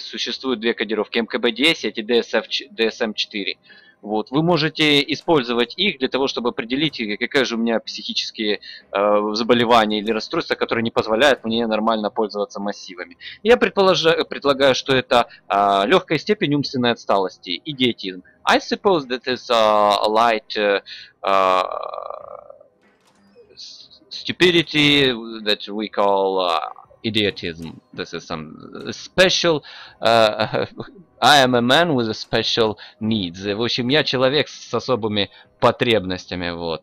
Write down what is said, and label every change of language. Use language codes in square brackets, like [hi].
[ru] Существуют две кодировки, MKB-10 и DSM-4. Вот, вы можете использовать их для того, чтобы определить, какие же у меня психические заболевания или расстройства, которые не позволяют мне нормально пользоваться массивами. Я предлагаю, что это легкая степень умственной отсталости, идиотизм. [en] I suppose that is a light stupidity that we call idiotism. This is some special... I am a man with a special needs. [ru] В общем, я человек с особыми потребностями, вот.